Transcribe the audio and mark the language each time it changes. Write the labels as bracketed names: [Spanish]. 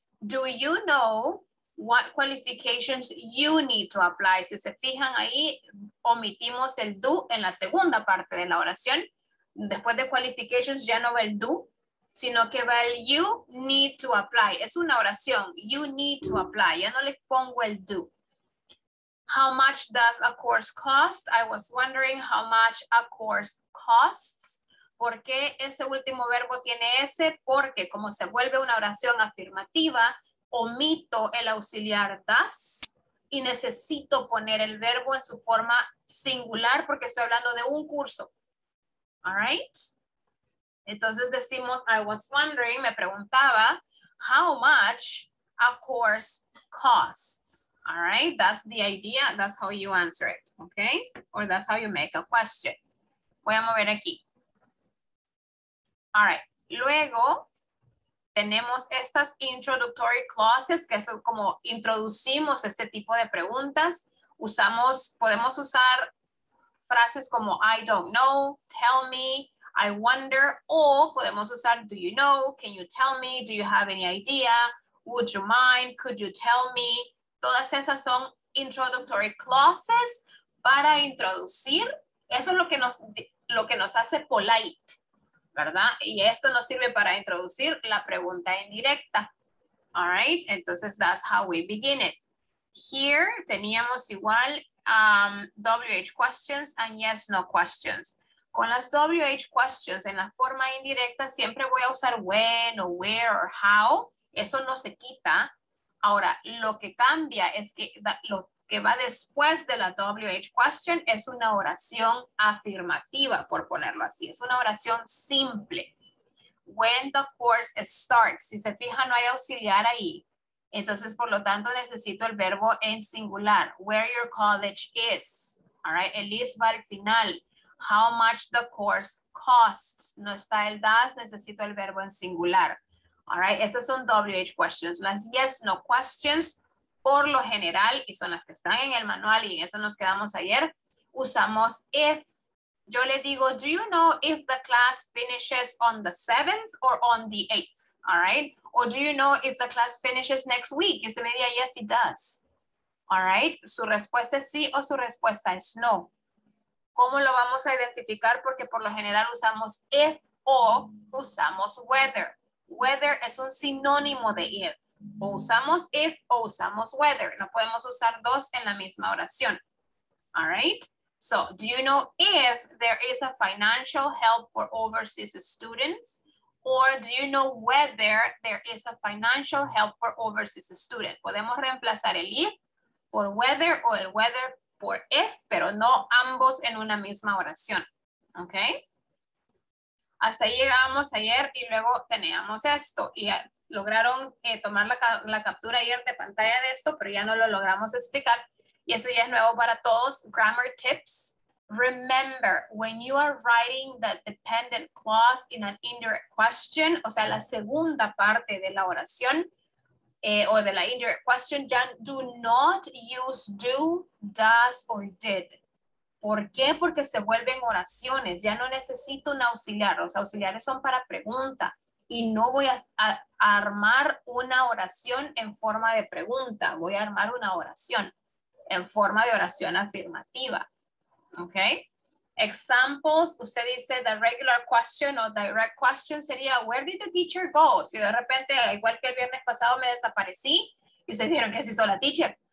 [English] Do you know what qualifications you need to apply? [Spanish] Si se fijan ahí, omitimos el do en la segunda parte de la oración. Después de qualifications ya no va el do, sino que va el [English] you need to apply. [Spanish] Es una oración, [English] you need to apply, [Spanish] ya no le pongo el do. [English] How much does a course cost? I was wondering how much a course costs. [Spanish] ¿Por qué ese último verbo tiene ese? Porque como se vuelve una oración afirmativa, omito el auxiliar does y necesito poner el verbo en su forma singular porque estoy hablando de un curso. [English] All right? [Spanish] Entonces decimos, [English] I was wondering, [Spanish] me preguntaba, [English] how much a course costs. All right, that's the idea. That's how you answer it, okay? Or that's how you make a question. [Spanish] Voy a mover aquí. [English] All right, [Spanish] luego tenemos estas [English] introductory clauses, [Spanish] que es como introducimos este tipo de preguntas. Usamos, podemos usar frases como [English] I don't know, tell me, I wonder, [Spanish] o podemos usar [English] do you know, can you tell me, do you have any idea, would you mind, could you tell me. [Spanish] Todas esas son [English] introductory clauses [Spanish] para introducir. Eso es lo que nos hace polite, ¿verdad? Y esto nos sirve para introducir la pregunta indirecta. [English] All right, [Spanish] entonces [English] that's how we begin it. Here [Spanish] teníamos igual [English] WH questions and yes, no questions. [Spanish] Con las WH questions en la forma indirecta siempre voy a usar when o where or how. Eso no se quita. Ahora, lo que cambia es que lo que va después de la WH question es una oración afirmativa, por ponerlo así. Es una oración simple. [English] When the course starts. [Spanish] Si se fija, no hay auxiliar ahí. Entonces, por lo tanto, necesito el verbo en singular. [English] Where your college is. All right, [Spanish] el is va al final. [English] How much the course costs. [Spanish] No está el does, necesito el verbo en singular. [English] All right, [Spanish] esas son [English] WH questions. [Spanish] Las [English] yes, no questions, [Spanish] por lo general, y son las que están en el manual, y en eso nos quedamos ayer, usamos if. Yo le digo, [English] do you know if the class finishes on the 7th or on the 8th? All right, or do you know if the class finishes next week? [Spanish] Y usted me diga, [English] yes, it does. All right, [Spanish] su respuesta es sí o su respuesta es no. ¿Cómo lo vamos a identificar? Porque por lo general usamos if o usamos whether. Whether es un sinónimo de if. O usamos if o usamos whether. No podemos usar dos en la misma oración. [English] All right. So, do you know if there is a financial help for overseas students? Or do you know whether there is a financial help for overseas students? [Spanish] Podemos reemplazar el if por whether o el whether por if, pero no ambos en una misma oración. Okay. Hasta ahí llegábamos ayer y luego teníamos esto. Y lograron tomar la captura ayer de pantalla de esto, pero ya no lo logramos explicar. Y eso ya es nuevo para todos. [English] Grammar tips. Remember, when you are writing the dependent clause in an indirect question, [Spanish] o sea, la segunda parte de la oración o de la indirect question, ya [English] do not use do, does, or did. [Spanish] ¿Por qué? Porque se vuelven oraciones. Ya no necesito un auxiliar. Los auxiliares son para pregunta. Y no voy a armar una oración en forma de pregunta. Voy a armar una oración en forma de oración afirmativa. ¿Ok? [English] Examples. [Spanish] Usted dice the regular question o direct question sería [English] where did the teacher go? [Spanish] Si de repente, igual que el viernes pasado, me desaparecí. Y ustedes dijeron que se hizo la teacher.